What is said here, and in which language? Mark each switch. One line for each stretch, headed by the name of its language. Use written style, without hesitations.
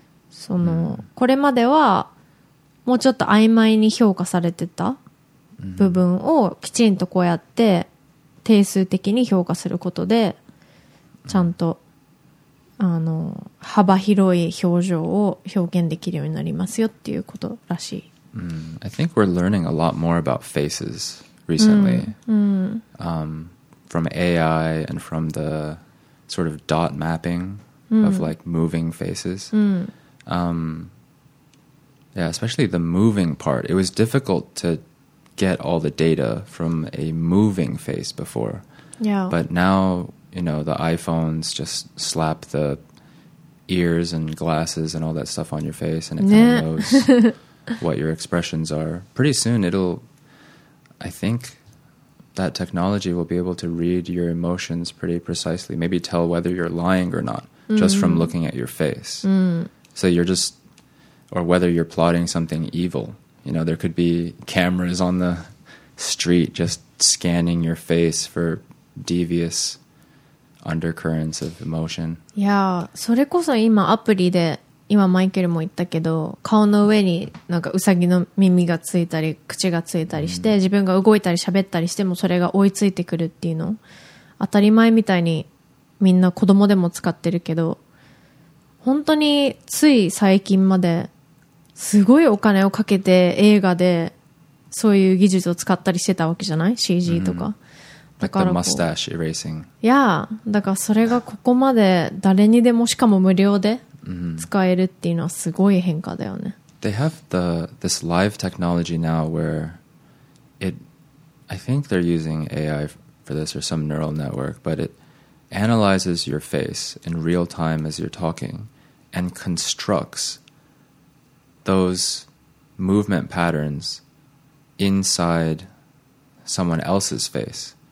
Japanese: そのこれまではもうちょっと曖昧に評価されてた部分をきちんとこうやって定数的に評価することで、ちゃんとあの幅広い表情を表現できるようになりますよっていうことらしい。
English: I think we're learning a lot more about faces recently. From AI and from the sort of dot mapping of like moving faces. Yeah, especially the moving part. It was difficult to get all the data from a moving face before. Yeah. But now... You know, the iPhones just slap the ears and glasses and all that stuff on your face, and it kind of knows what your expressions are. Pretty soon, I think that technology will be able to read your emotions pretty precisely, maybe tell whether you're lying or not, just from looking at your face. So you're just, or whether you're plotting something evil. You know, there could be cameras on the street just scanning your face for devious... Undercurrents of emotion.
Japanese: Yeah, それこそ今アプリで、今マイケルも言ったけど、顔の上になんかウサギの耳がついたり口がついたりして、自分が動いたり喋ったりしてもそれが追いついてくるっていうの、当たり前みたいにみんな子供でも使ってるけど、本当につい最近まですごいお金をかけて映画でそういう技術を使ったりしてたわけじゃない？ CG とか。
English: Like the mustache erasing.
Japanese: Yeah, だからそれがここまで誰にでもしかも無料で使えるっていうのはすごい変化だよね。
English: They have this live technology now where it, I think they're using AI for this or some neural network, but it analyzes your face in real time as you're talking and constructs those movement patterns inside someone else's face.